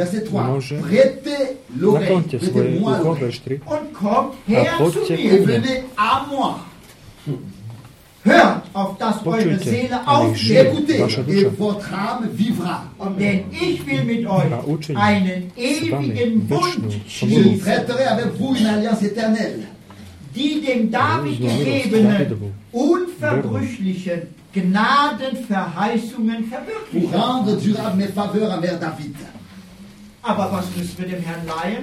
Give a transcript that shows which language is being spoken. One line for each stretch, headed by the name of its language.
German: Das ist wahr.
French: Prête l'oreille. Prête moi l'oreille.
German: Und kommt her zu mir.
French: Prête à moi.
German: Hört auf das eure Seele aufschreibt.
French: Écoutez, et votre âme vivra.
German: Und denn ich will mit euch einen ewigen Bund schließen.
French: Je traiterai avec vous une alliance éternelle.
German: Die dem David gegebenen unverbrüchlichen Gnadenverheißungen verwirklicht. Aber was müssen wir dem Herrn leihen?